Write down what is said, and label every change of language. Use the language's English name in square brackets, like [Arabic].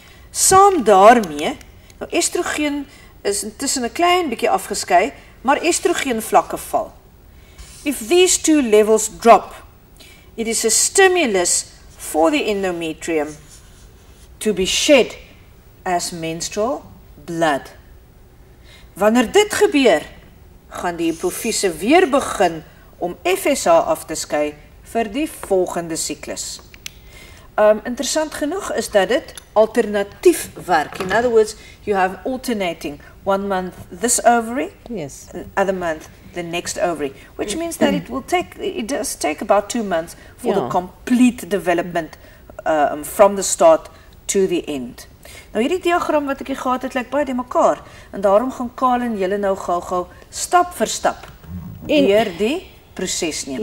[Afrikaans] Saam daarmee, nou estrogen is intussen 'n klein bietjie afgeskei, maar estrogen vlakke val. [English] If these two levels drop, it is a stimulus for the endometrium to be shed as menstrual blood. [Afrikaans] Wanneer dit gebeur, gaan die hypofise weer begin om FSH af te skei vir die volgende siklus. Interessant genoeg is dat dit alternatief werk. [English] In other words, you have alternating 1 month this ovary, yes, other month the next ovary, which means that it does take about 2 months for the complete development from the start to the end. [Afrikaans] Nou hierdie diagram wat ek hier gehad het, lyk baie die mekaar, en daarom gaan Karl en julle nou gou-gou stap vir stap deur die proses neem.